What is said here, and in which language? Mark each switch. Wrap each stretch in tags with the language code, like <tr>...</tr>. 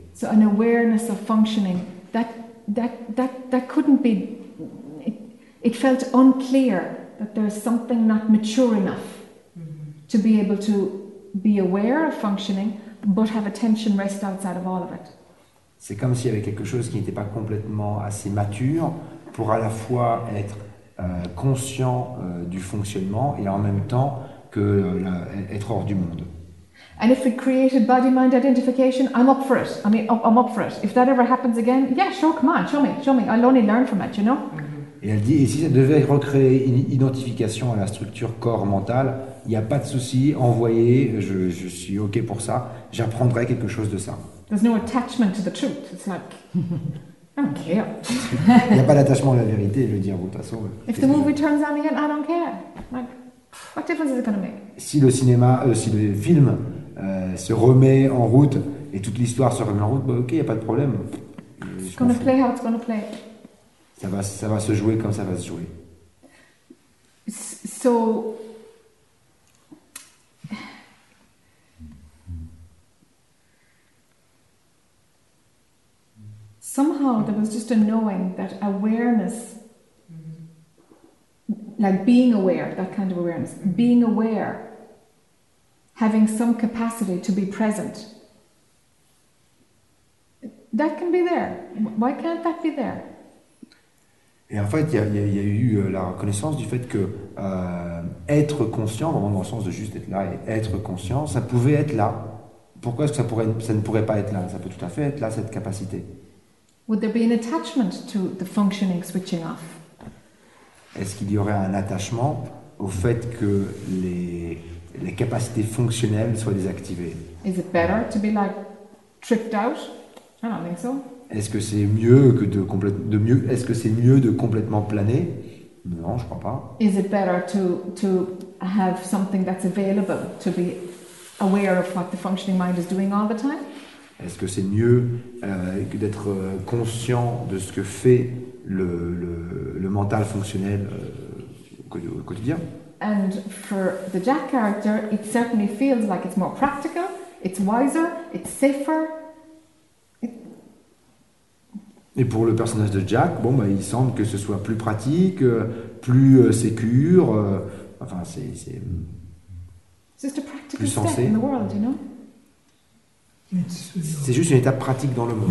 <en>So an awareness of functioning that couldn't be, it felt unclear that there's something not mature enough to be able to be aware of functioning but have attention rest outside of all of it.</en> <fr>C'est comme s'il y avait quelque chose qui n'était pas complètement assez mature pour à la fois être conscient du fonctionnement et en même temps que être hors du monde.</fr> <en>And if it created body-mind identification, I'm up for it. I mean, I'm up for it. If that ever happens again, yeah, sure, come on, show me. I'll only learn from it, you know? Mm-hmm.</en> <fr>Et elle dit, et si ça devait recréer une identification à la structure corps-mental, il n'y a pas de souci, envoyez, je suis OK pour ça, j'apprendrai quelque chose de ça.</fr> <en>There's no attachment to the truth. It's like, I don't care.</en> <fr>Il n'y a pas d'attachement à la vérité, je veux dire, bon, de toute façon.</fr> <en>If the movie turns on again, I don't care. Like, what difference is it going to make?</en> <fr>Si le cinéma, si le film se remet en route et toute l'histoire se remet en route, bah, ok, il n'y a pas de problème.</fr> <en>It's going to play how it's going to play.</en> <fr>Ça va se jouer comme ça va se jouer.</fr> <en>So, somehow there was just a knowing that awareness, like being aware, that kind of awareness, being aware, having some capacity to be present, that can be there. Why can't that be there?</en> <fr>Et en fait, il y a eu la reconnaissance du fait que être conscient, vraiment dans le sens de juste être là et être conscient, ça pouvait être là. Pourquoi est-ce que ça ne pourrait pas être là? Ça peut tout à fait être là, cette capacité.</fr> <en>Would there be an attachment to the functioning switching off?</en> <fr>Est-ce qu'il y aurait un attachement au fait que les capacités fonctionnelles soient désactivées.</fr> <en>Is it better to be like tripped out? I don't think so.</en> <fr>Est-ce que c'est mieux que de est-ce que c'est mieux de complètement planer? Non, je crois pas.</fr> <en>Is it better to have something that's available to be aware of what the functioning mind is doing all the time?</en> <fr>Est-ce que c'est mieux que d'être conscient de ce que fait le mental fonctionnel au quotidien?</fr> <en>And for the Jack character, it certainly feels like it's more practical, it's wiser, it's safer.</en> <fr>Et pour le personnage de Jack, bon, bah, il semble que ce soit plus pratique, plus sécure, enfin, c'est</fr> <en>just a practical</en> <fr>plus sensé.</fr> <en>Step in the world, you know?</en> <fr>C'est juste une étape pratique dans le monde.</fr>